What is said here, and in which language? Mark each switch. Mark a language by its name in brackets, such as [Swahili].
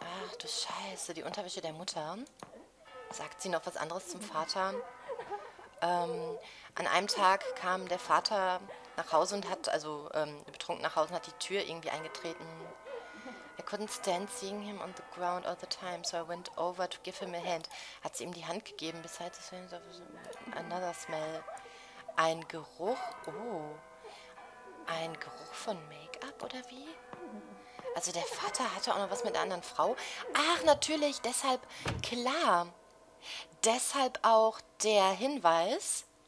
[German] Ach du Scheiße, die Unterwäsche der Mutter. Sagt sie noch was anderes zum Vater? An einem Tag kam der Vater nach Hause und hat, also betrunken nach Hause und hat die Tür irgendwie eingetreten. [English] I couldn't stand seeing him on the ground all the time, so I went over to give him a hand. [German] Hat sie ihm die Hand gegeben, [English] besides another smell. [German] Ein Geruch, oh, ein Geruch von Make-up oder wie? Also der Vater hatte auch noch was mit der anderen Frau. Ach, natürlich, deshalb, klar. Deshalb auch der Hinweis.